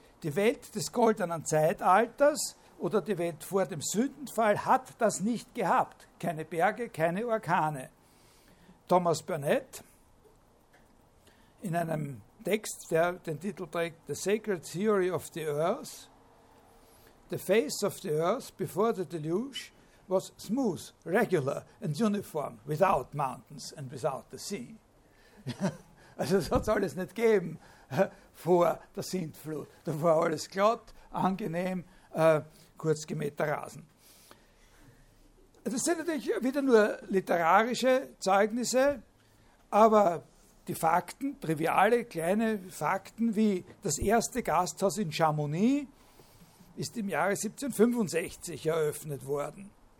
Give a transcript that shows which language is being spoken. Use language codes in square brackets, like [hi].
[de] Die Welt des goldenen Zeitalters oder die Welt vor dem Sündenfall hat das nicht gehabt. Keine Berge, keine Orkane. Thomas Burnett in einem Text, der den Titel trägt, The Sacred Theory of the Earth. [en] The face of the earth before the deluge was smooth, regular and uniform, without mountains and without the sea. [de] Also das hat es alles nicht gegeben vor der Sintflut. Da war alles glatt, angenehm, kurz gemähter Rasen. Das sind natürlich wieder nur literarische Zeugnisse, aber die Fakten, triviale kleine Fakten, wie das erste Gasthaus in Chamonix, ist im Jahre 1765 eröffnet worden.